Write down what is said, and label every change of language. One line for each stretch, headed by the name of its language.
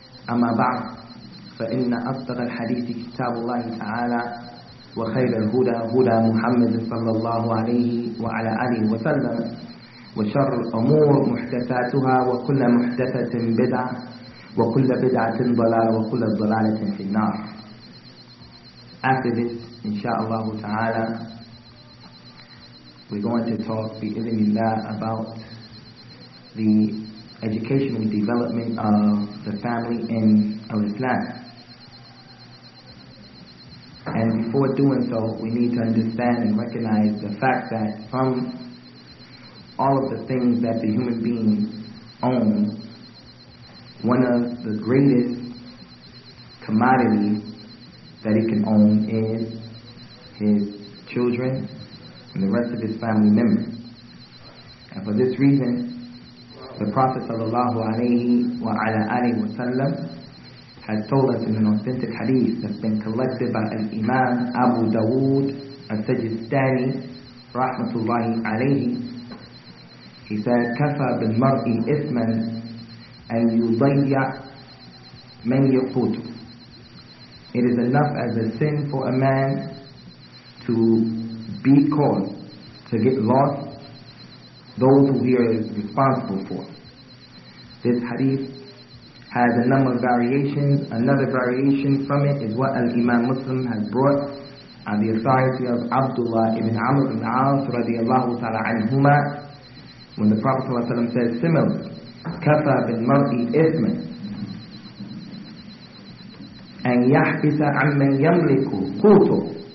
Arabic: أما بعد، فإن أصدق الحديث كتاب الله تعالى وخير الهدى هدى محمد صلى الله عليه وعلى آله وسلم، وشر الأمور محدثاتها وكل محدثة بدعة وكل بدعة ضلالة وكل ضلالة في النار.
English: After this, inshallah ta'ala, we're going to talk bi-idhnillah about the education and development of the family in Al-Islam. And before doing so, we need to understand and recognize the fact that from all of the things that the human being owns, one of the greatest commodities that he can own is his children and the rest of his family members. And for this reason, the Prophet sallallahu alayhi wa ala alayhi wa sallam has told us in an authentic hadith that's been collected by Al-Imam Abu Dawood Al-Sajistani rahmatullahi alayhi. He said,
Arabic: كَفَى بِالْمَرْءِ إِثْمًا أَنْ يُضَيَّ مَنْ يَقُوتُ.
English: It is enough as a sin for a man to be caught, to get lost, those who he is responsible for. This hadith has a number of variations. Another variation from it is what Al-Imam Muslim has brought on the authority of Abdullah ibn Amr ibn As radiallahu ta'ala anhuma, when the Prophet ﷺ says similar,
Arabic: كَفَى بِالْمَرْءِ إِثْمًا أَنْ يَحْبِسَ عَمَّنْ يَمْلِكُ قُوتُ.